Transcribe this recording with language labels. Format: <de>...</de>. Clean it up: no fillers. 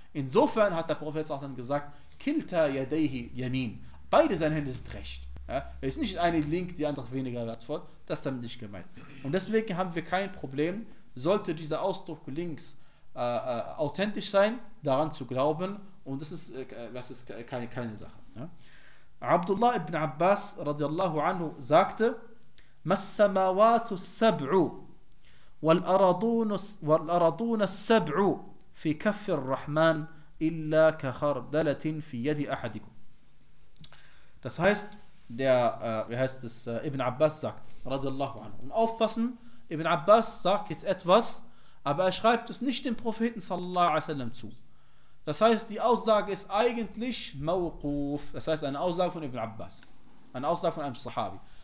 <de>Insofern hat der Prophet auch dann gesagt,</de> <ar>kilta yadayhi yamin.</ar> <de>Beide seine Hände sind recht. Ja? Er ist nicht eine link, die andere weniger wertvoll. Das ist damit nicht gemeint. Und deswegen haben wir kein Problem, sollte dieser Ausdruck links authentisch sein, daran zu glauben. Und das ist keine Sache. Ja?</de> <ar>Abdullah ibn Abbas radiallahu anhu</ar> <de>sagte,</de> <ar>مَسَّمَوَاتُ السَّبْعُ وَالْأَرَضُونَ السَّبْعُ فِي كَفِّ الرَّحْمَنِ إِلَّا كَخَرْدَلَةٍ فِي يَدِ أَحَدِكُمْ.</ar> <de>Das heißt, Ibn Abbas sagt, radiallahu anhu. Und aufpassen, Ibn Abbas sagt jetzt etwas, aber er schreibt es nicht dem Propheten sallallahu alaihi wasallam zu. Das heißt, die Aussage ist eigentlich mawquf. Das heißt, eine Aussage von Ibn Abbas. Eine Aussage von einem Sahabi.</de>